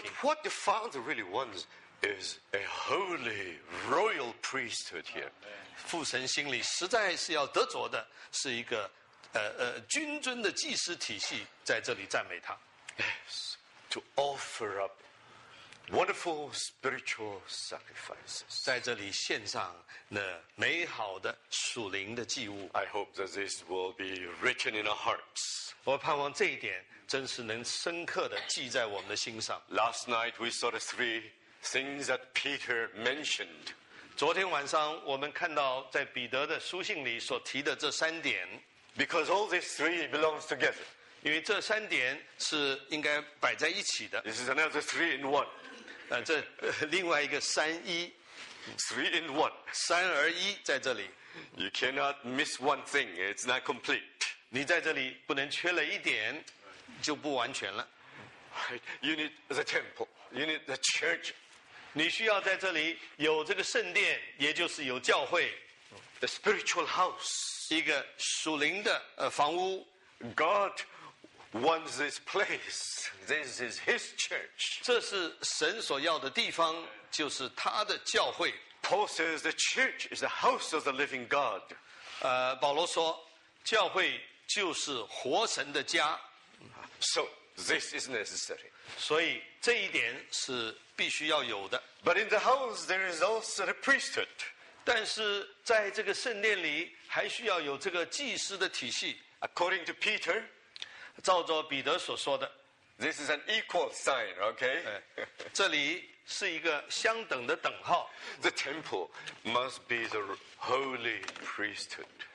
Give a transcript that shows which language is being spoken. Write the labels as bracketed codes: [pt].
[en] But what the Father really wants is a holy, royal priesthood here. [zh] 父神心里实在是要得着的是一个君尊的祭司体系在这里赞美他。 [en] Yes, to offer up wonderful spiritual sacrifices. [zh] 在这里献上那美好的属灵的祭物。 [en] I hope that this will be written in our hearts. [zh] 我盼望这一点真是能深刻的记在我们的心上。 [en] Last night we saw the three things that Peter mentioned. [zh] 昨天晚上我们看到在彼得的书信里所提的这三点。 [en] Because all these three belongs together. [zh] 因为这三点是应该摆在一起的。 [en] This is another three in one. [zh] 这另外一个三一。 [en] Three in one. [zh] 三而一在这里。 [en] You cannot miss one thing. It's not complete. [zh] 你在这里不能缺了一点就不完全了。 [en] You need the temple. You need the church. [zh] 你需要在这里有这个圣殿，也就是有教会。 [en] The spiritual house. [zh] 一个属灵的房屋。 [en] God wants this place. This is His church. [zh] 这是神所要的地方，就是他的教会。 [en] Paul says the church is the house of the living God. [zh] 保罗说，教会就是活神的家。 [en] So this is necessary. [zh] 所以这一点是必须要有的。 [en] But in the house there is also the priesthood. [zh] 但是在这个圣殿里还需要有这个祭司的体系。 [en] According to Peter, [zh] 照着彼得所说的 [en] ，this is an equal sign, okay? [zh] 这里是一个相等的等号。 [en] The temple must be the holy priesthood.